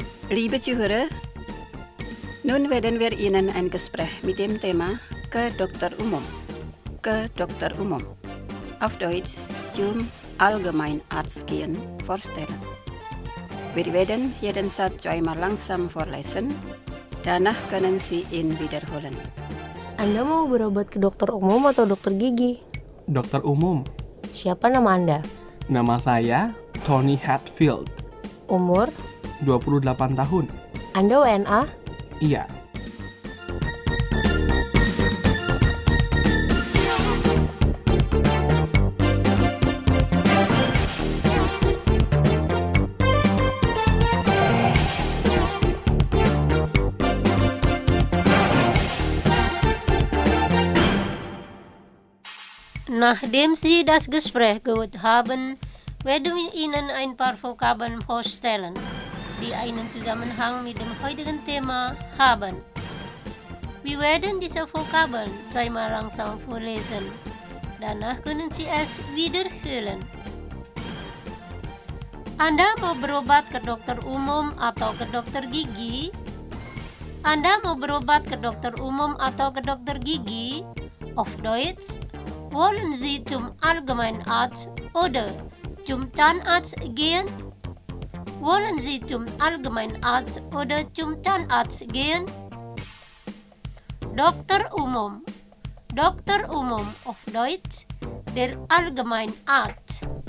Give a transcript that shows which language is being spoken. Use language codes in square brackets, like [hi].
[de] Liebe Zuhörer, nun werden wir Ihnen ein Gespräch mit dem Thema Ke Dokter Umum. Ke Dokter Umum. Auf Deutsch zum Allgemeinarzt gehen vorstellen. Wir werden jeden Satz zweimal langsam vorlesen. Danach können Sie ihn wiederholen. [id] Anda mau berobat ke dokter umum atau dokter gigi? Dokter umum. Siapa nama Anda? Nama saya Tony Hatfield. Umur? 28 tahun. Anda WNA? Iya. [de] Nachdem Sie das Gespräch gehört haben, werden wir Ihnen ein paar Vokabeln vorstellen, die einen Zusammenhang mit dem heutigen Thema haben. Wir werden diese Vokabeln zweimal langsam vorlesen. Danach können Sie es wiederholen. [id] Anda mau berobat ke dokter umum atau ke dokter gigi? Anda mau berobat ke dokter umum atau ke dokter gigi? [de] Auf Deutsch, wollen Sie zum Allgemeinarzt oder zum Zahnarzt gehen? Wollen Sie zum Allgemeinarzt oder zum Zahnarzt gehen? Doktor Umum. Doktor Umum auf Deutsch, der Allgemeinarzt.